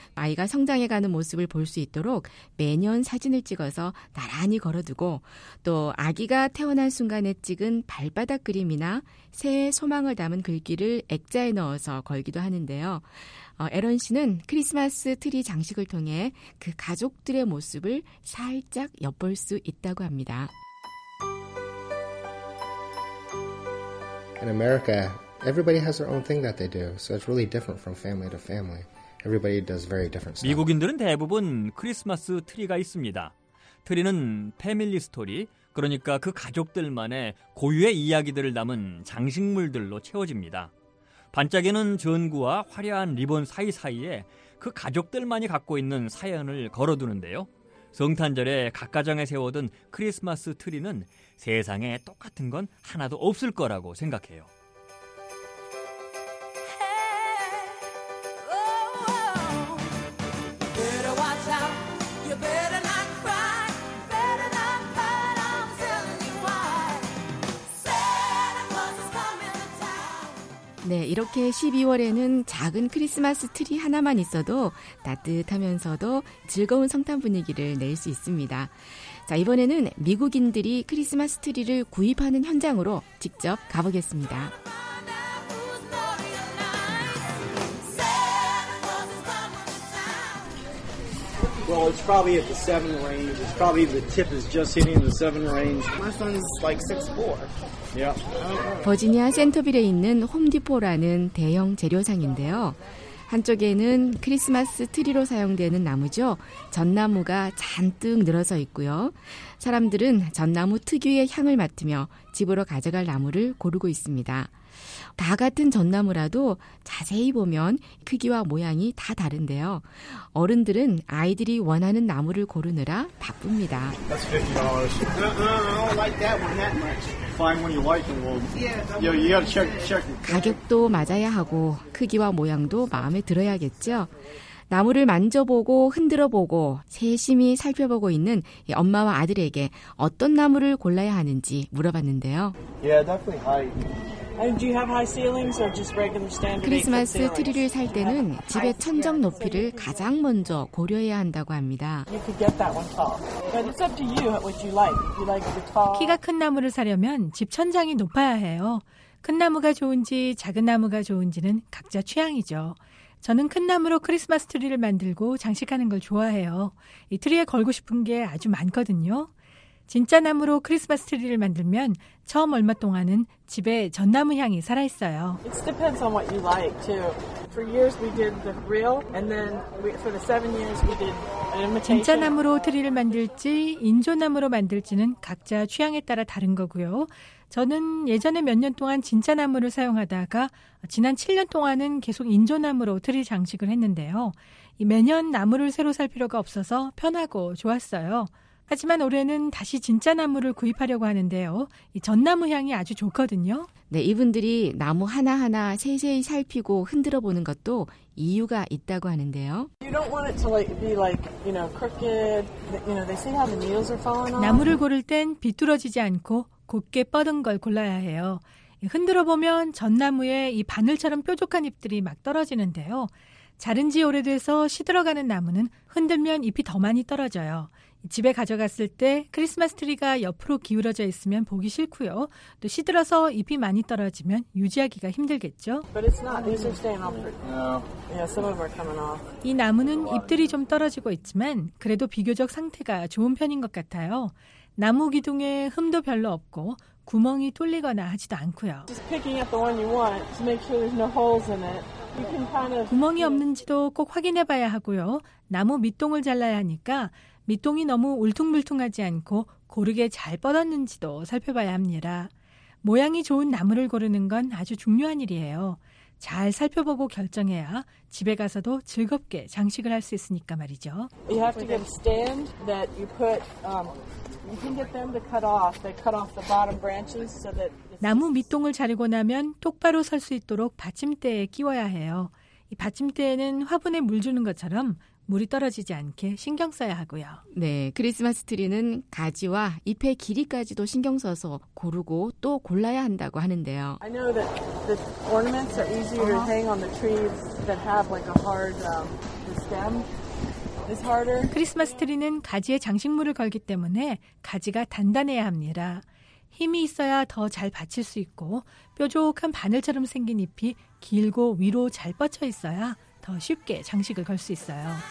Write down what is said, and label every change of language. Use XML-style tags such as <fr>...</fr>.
<ko>아이가 성장해가는 모습을 볼 수 있도록 매년 사진을 찍어서 나란히 걸어두고 또 아기가 태어난 순간에 찍은 발바닥 그림이나 새해 소망을 담은 글귀를 액자에 넣어서 걸기도 하는데요. 에런 씨는 크리스마스 트리 장식을 통해 그 가족들의 모습을 살짝 엿볼 수 있다고 합니다.</ko> <en>In America, everybody has their own thing that they do, so it's really different from family to family. Everybody does very different stuff.</en> <ko>미국인들은 대부분 크리스마스 트리가 있습니다. 트리는</ko> <en>패밀리 스토리,</en> <ko>그러니까 그 가족들만의 고유의 이야기들을 담은 장식물들로 채워집니다. 반짝이는 전구와 화려한 리본 사이사이에 그 가족들만이 갖고 있는 사연을 걸어두는데요. 성탄절에 각 가정에 세워둔 크리스마스 트리는 세상에 똑같은 건 하나도 없을 거라고 생각해요.</ko> <en>Better not cry, better not cry, I'm telling you why. Santa Claus</en> <ko>네, 이렇게 12월에는 작은 크리스마스 트리 하나만 있어도 따뜻하면서도 즐거운 성탄 분위기를 낼 수 있습니다. 자, 이번에는 미국인들이 크리스마스 트리를 구입하는 현장으로 직접 가보겠습니다. 버지니아 센터빌에 있는 홈디포라는 대형 재료상인데요. 한쪽에는 크리스마스 트리로 사용되는 나무죠. 전나무가 잔뜩 늘어서 있고요. 사람들은 전나무 특유의 향을 맡으며 집으로 가져갈 나무를 고르고 있습니다. 다 같은 전나무라도 자세히 보면 크기와 모양이 다 다른데요. 어른들은 아이들이 원하는 나무를 고르느라 바쁩니다.</ko> <en>That's $50. No, I don't like that one that much. Find one you like and we'll... Yeah, you gotta check.</en> <ko>가격도 맞아야 하고 크기와 모양도 마음에 들어야겠죠. 나무를 만져보고 흔들어보고 세심히 살펴보고 있는 엄마와 아들에게 어떤 나무를 골라야 하는지 물어봤는데요.</ko> <en>Yeah, definitely high. And do you have high ceilings or just regular standard?</en> <ko>크리스마스 트리를 살 때는 집의 천정 높이를 가장 먼저 고려해야 한다고 합니다.</ko> <en>You could get that one tall. But it's up to you what you like. You like the tall.</en> <ko>키가 큰 나무를 사려면 집 천장이 높아야 해요. 큰 나무가 좋은지 작은 나무가 좋은지는 각자 취향이죠. 저는 큰 나무로 크리스마스 트리를 만들고 장식하는 걸 좋아해요. 이 트리에 걸고 싶은 게 아주 많거든요. 진짜 나무로 크리스마스 트리를 만들면 처음 얼마 동안은 집에 전나무 향이 살아있어요.</ko> <en>It depends on what you like too. For years we did the real and then for the 7 years we did an imitation.</en> <ko>진짜 나무로 트리를 만들지 인조나무로 만들지는 각자 취향에 따라 다른 거고요. 저는 예전에 몇 년 동안 진짜 나무를 사용하다가 지난 7년 동안은 계속 인조나무로 트리 장식을 했는데요. 매년 나무를 새로 살 필요가 없어서 편하고 좋았어요. 하지만 올해는 다시 진짜 나무를 구입하려고 하는데요. 이 전나무 향이 아주 좋거든요. 네, 이분들이 나무 하나하나 세세히 살피고 흔들어 보는 것도 이유가 있다고 하는데요.</ko> <en>You don't want it to like be like, you know, crooked. You know, they see how the needles are falling off.</en> <ko>나무를 고를 땐 비뚤어지지 않고 곧게 뻗은 걸 골라야 해요. 흔들어 보면 전나무에 이 바늘처럼 뾰족한 잎들이 막 떨어지는데요. 자른 지 오래돼서 시들어가는 나무는 흔들면 잎이 더 많이 떨어져요. 집에 가져갔을 때 크리스마스 트리가 옆으로 기울어져 있으면 보기 싫고요. 또 시들어서 잎이 많이 떨어지면 유지하기가 힘들겠죠.</ko> <en>But it's not, these are staying off. Yeah, some of them are coming off.</en> <ko>이 나무는 잎들이 좀 떨어지고 있지만 그래도 비교적 상태가 좋은 편인 것 같아요. 나무 기둥에 흠도 별로 없고 구멍이 뚫리거나 하지도 않고요.</ko> <en>Just picking up the one you want to make sure there's no holes in it.</en> <ko>구멍이 없는지도 꼭 확인해봐야 하고요. 나무 밑동을 잘라야 하니까 밑동이 너무 울퉁불퉁하지 않고 고르게 잘 뻗었는지도 살펴봐야 합니다. 모양이 좋은 나무를 고르는 건 아주 중요한 일이에요. 잘 살펴보고 결정해야 집에 가서도 즐겁게 장식을 할 수 있으니까 말이죠.</ko> <en>You have to get a stand that you put, you can get them to cut off. They cut off the bottom branches so that...</en> <ko>나무 밑동을 자르고 나면 똑바로 설 수 있도록 받침대에 끼워야 해요. 이 받침대에는 화분에 물 주는 것처럼 물이 떨어지지 않게 신경 써야 하고요. 네, 크리스마스 트리는 가지와 잎의 길이까지도 신경 써서 고르고 또 골라야 한다고 하는데요.</ko> <en>I know that the ornaments are easier to hang on the trees that have like a hard stem.</en> <ko>크리스마스 트리는 가지에 장식물을 걸기 때문에 가지가 단단해야 합니다. 힘이 있어야 더 잘 받칠 수 있고 뾰족한 바늘처럼 생긴 잎이 길고 위로 잘 뻗쳐 있어야 더 쉽게 장식을 걸 수 있어요.</ko>